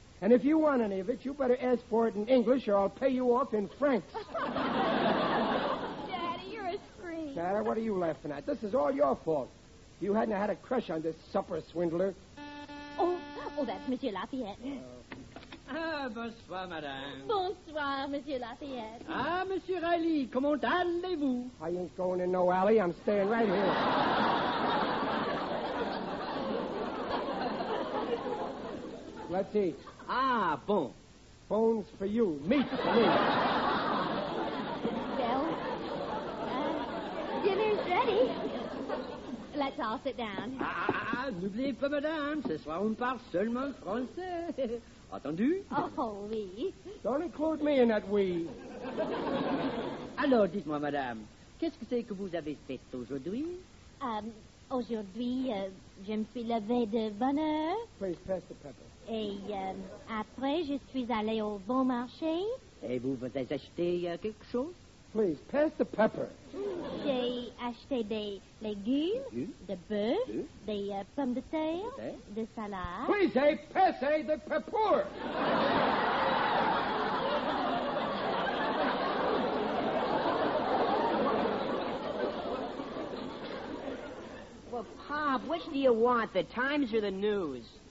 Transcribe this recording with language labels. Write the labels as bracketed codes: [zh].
[en] And if you want any of it, you better ask for it in English or I'll pay you off in francs. Daddy, you're a scream. Dad, what are you laughing at? This is all your fault. You hadn't had a crush on this supper swindler. Oh, that's Monsieur Lafayette. [fr] Bonsoir, madame. Bonsoir, Monsieur Lafayette. Ah, Monsieur Riley, comment allez-vous? [en] I ain't going in no alley. I'm staying right here. Let's eat. [fr] Ah, bon. [en] Bones for you. Meat for me. Well, dinner's ready. Let's all sit down. [fr] Ah, n'oubliez pas, madame. Ce soir, on parle seulement français. Entendu? Oh, oui. [en] Don't include me in that oui. [fr] Alors, dites-moi, madame, qu'est-ce que c'est que vous avez fait aujourd'hui? Aujourd'hui, je me suis levée de bonne heure. [en] Please pass the pepper. [fr] Et après, je suis allée au bon marché. Et vous, vous avez acheté quelque chose? [en] Please, pass the pepper. [fr] J'ai acheté des légumes, de bœuf, des pommes de terre, de salade. [en] Please, hey, pass hey, the pepper. Well, Pop, which do you want, the Times or the News?